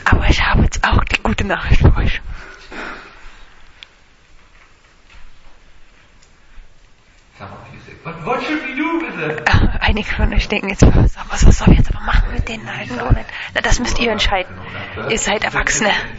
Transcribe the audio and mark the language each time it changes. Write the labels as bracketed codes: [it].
[de] Aber ich habe jetzt auch die gute Nachricht für euch. [en] Some of you say, but what should we do with them? [de] Einige von euch denken jetzt, was sollen wir jetzt aber machen mit den alten Leuten? Na, das müsst ihr entscheiden. Ihr seid Erwachsene.